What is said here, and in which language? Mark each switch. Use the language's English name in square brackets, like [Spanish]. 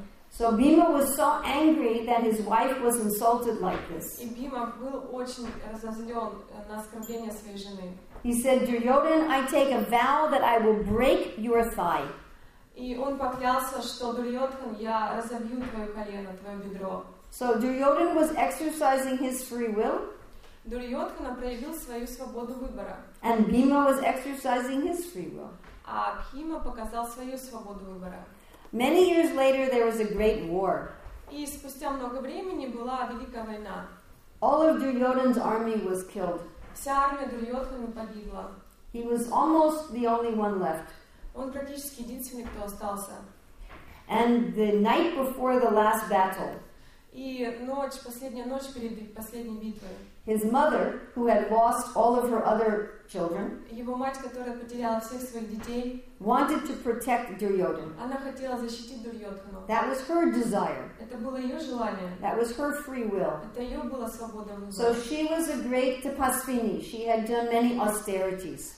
[English] So Bhima was so angry that his wife was insulted like this. He said, Duryodhan, I take a vow that I will break your thigh. [Russian] И он поклялся, что Дурьотхан, я разобью твое колено, твое бедро. [English] So Duryodhan was exercising his free will. [Russian] Дурьотхан проявил свою свободу выбора. [English] And Bhima was exercising his free will. [Russian] А Бхима показал свою свободу выбора. [English] Many years later there was a great war. [Russian] И спустя много времени была великая война. [English] All of Duryodhan's army was killed. [Russian] Вся армия Дурьотхана погибла. [English] He was almost the only one left. [Russian] Он практически единственный, кто остался. [English] And the night before the last battle, [Russian] И ночь, последняя ночь перед последней битвой. [English] His mother, who had lost all of her other children, [Russian] его мать, которая потеряла всех своих детей, [English] wanted to protect Duryodhana. [Russian] Она хотела защитить Дурьотхану. [English] That was her desire. [Russian] Это было ее желание. [English] That was her free will. [Russian] Это ее была свобода выбора. [English] So she was a great tapasvini. She had done many austerities.